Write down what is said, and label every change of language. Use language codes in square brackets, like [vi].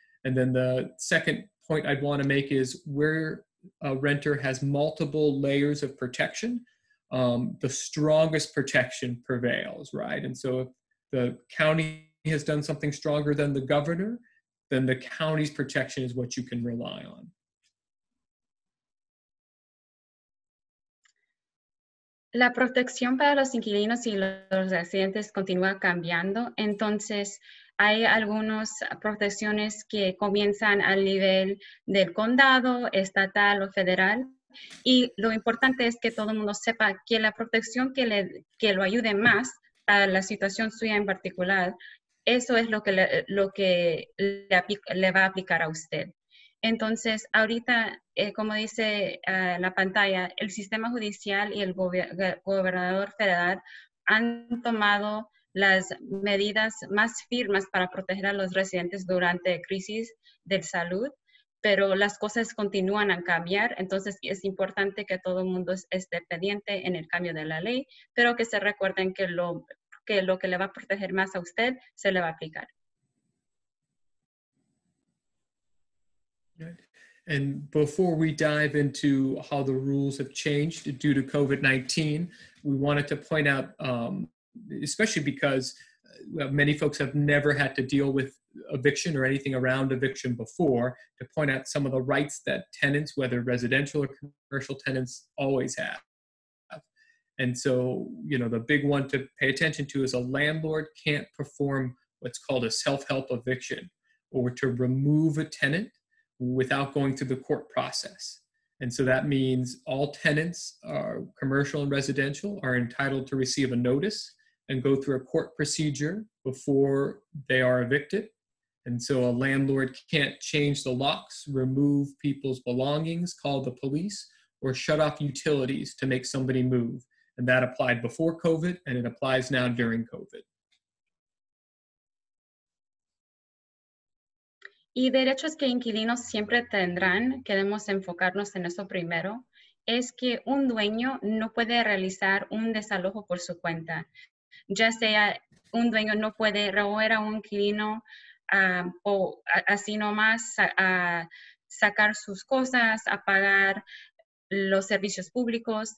[en] And then the second point I'd want to make is, where a renter has multiple layers of protection, the strongest protection prevails, right? And so if the county has done something stronger than the governor, then the county's protection is what you can rely on. [es] La protección para los inquilinos y los residentes continúa cambiando. Entonces, hay algunas protecciones que comienzan al nivel del condado, estatal o federal. Y lo importante es que todo el mundo sepa que la protección que lo ayude más a la situación suya en particular eso es lo que le, le va a aplicar a usted. Entonces, ahorita, como dice la pantalla, el sistema judicial y el gobernador federal han tomado las medidas más firmes para proteger a los residentes durante crisis de salud, pero las cosas continúan a cambiar. Entonces, es importante que todo el mundo esté pendiente en el cambio de la ley, pero que se recuerden que lo que le va a proteger más a usted se le va a aplicar. [en] And before we dive into how the rules have changed due to COVID-19, we wanted to point out, especially because many folks have never had to deal with eviction or anything around eviction before, to point out some of the rights that tenants, whether residential or commercial tenants, always have. And so, you know, the big one to pay attention to is a landlord can't perform what's called a self-help eviction or to remove a tenant without going through the court process. And so that means all tenants, are commercial and residential, are entitled to receive a notice and go through a court procedure before they are evicted. And so a landlord can't change the locks, remove people's belongings, call the police, or shut off utilities to make somebody move. And that applied before COVID, and it applies now during COVID. [es] Y derechos que inquilinos siempre tendrán, queremos enfocarnos en eso primero, es que un dueño no puede realizar un desalojo por su cuenta. Ya sea un dueño no puede remover a un inquilino o así nomás sacar sus cosas, apagar los servicios públicos.